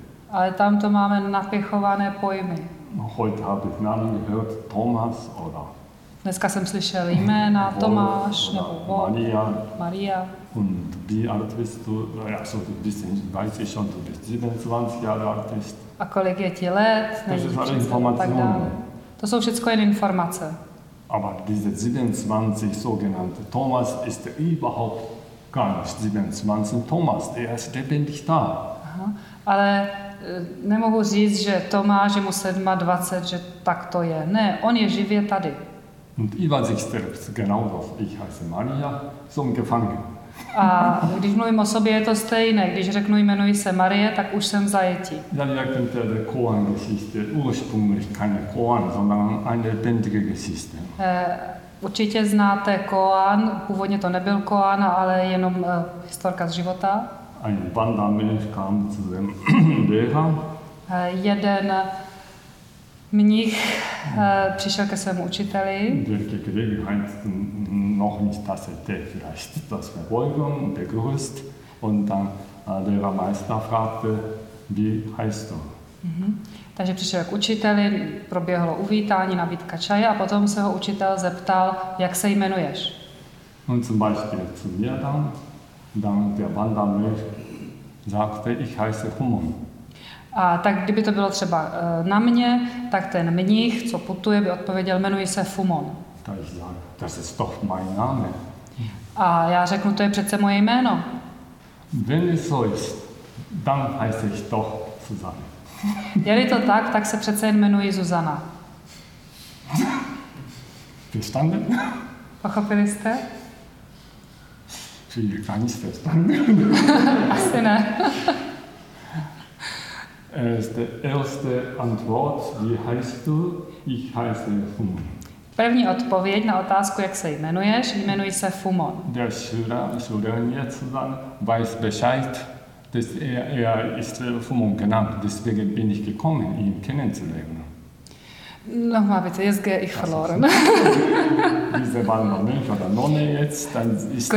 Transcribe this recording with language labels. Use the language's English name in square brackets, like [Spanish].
[Czech] Ale tam to máme napěchované pojmy. [German] Heute habe ich Namen gehört, Thomas oder. [Czech] Dneska jsem slyšel jména Wolf, Tomáš nebo Wolf, Maria. Maria. [German] Und wie alt bist du? Ja, so ein bisschen, weiß ich schon, du bist 27 Jahre alt. [Czech] A kolik je ti let? Nejde, to je informace. To jsou všechno jen informace. [German] Aber diese 27 sogenannte Thomas ist überhaupt gar nicht 27 Thomas, er ist lebendig da. Aha. [Czech] Ale nemohu říct, že Tomáš, že mu 27, že tak to je. Ne, on je živě tady. [German] Und ich weiß ich selbst genau drauf, ich heiße Maria, so gefangen. [Czech] A když mluvím o sobě, je to stejné. Když řeknu, jmenuji se Marie, tak už jsem zajetí. [German] Dann merken wir die Koan-Geschichte, ursprünglich keine Koan, sondern eine lebendige Geschichte. [Czech] Určitě znáte Koan, původně to nebyl Koan, ale jenom historka z života. [German] Ein Wandermönch kam zu dem Lehrer. [Czech] Jeden mnich přišel ke svému učiteli. [German] Der Gregor heißt noch nicht, dass er der vielleicht das Verbeugung begrüßt. Und dann der Meister fragte, wie heißt du? [Czech] Takže přišel k učiteli, proběhlo uvítání, nabídka čaje a potom se ho učitel zeptal, jak se jmenuješ. [German] Und zum Beispiel zu mir dann. Dann der Wandermönch sagte, ich heiße Humon. [Czech] A tak kdyby to bylo třeba na mě, tak ten mnich, co putuje, by odpověděl, jmenuji se Fumon. [German] Das ist doch mein Name. [Czech] A já řeknu, to je přece moje jméno. [German] Wenn es so ist, dann heiße ich doch Susanne. [Czech] Je-li to tak, tak se přece jen jmenuji Zuzana. [German] Verstanden? [Czech] Pochopili jste? [German] Viele gar nicht fest. [Czech] Asi ne. [German] Die erste Antwort, wie heißt du? Ich heiße Fumon. [Czech] První odpověď na otázku, jak se jmenuješ, jmenuji se Fumon. [German] Der Schüler jetzt dann weiß Bescheid, dass er ist Fumon genannt, deswegen bin ich gekommen, ihn kennenzulernen. Nochmal bitte, jetzt gehe ich verloren. Diese Wandermönch oder Nonne jetzt, dann ist...